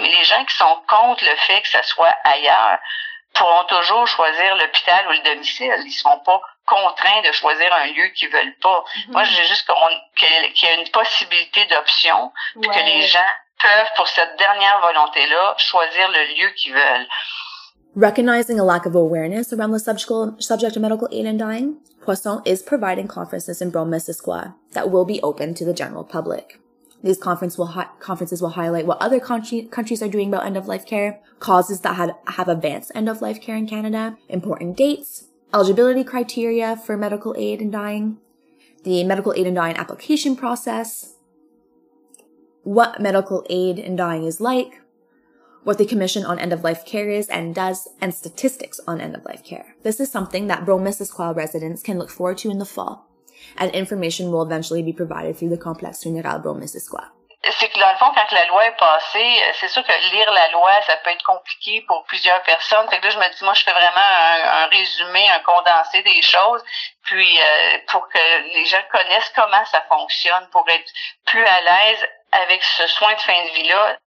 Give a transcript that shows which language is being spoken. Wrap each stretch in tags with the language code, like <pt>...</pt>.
<fr>Mais les gens qui sont contre le fait que ça soit ailleurs pourront toujours choisir l'hôpital ou le domicile. Ils ne seront pas contraints de choisir un lieu qu'ils ne veulent pas. Mm-hmm. Moi, j'ai juste qu'il y a une possibilité d'option puis ouais. Que les gens peuvent, pour cette dernière volonté-là, choisir le lieu qu'ils veulent.</fr> <en>Recognizing a lack of awareness around the subject of medical aid and dying, Poisson is providing conferences in Bromissisquoi that will be open to the general public. These conferences will highlight what other countries are doing about end-of-life care, causes that have advanced end-of-life care in Canada, important dates, eligibility criteria for medical aid and dying, the medical aid and dying application process, what medical aid and dying is like, what the Commission on End-of-Life Care is and does, and statistics on end-of-life care. This is something that Bromissisquoi residents can look forward to in the fall, and information will eventually be provided through the Complexe Funéraire Bromissisquoi.</en> <fr>C'est que dans le fond, quand la loi est passée, c'est sûr que lire la loi, ça peut être compliqué pour plusieurs personnes. Fait que là, je me dis, moi, je fais vraiment un résumé, un condensé des choses, puis pour que les gens connaissent comment ça fonctionne, pour être plus à l'aise avec ce soin de fin de vie-là.</fr>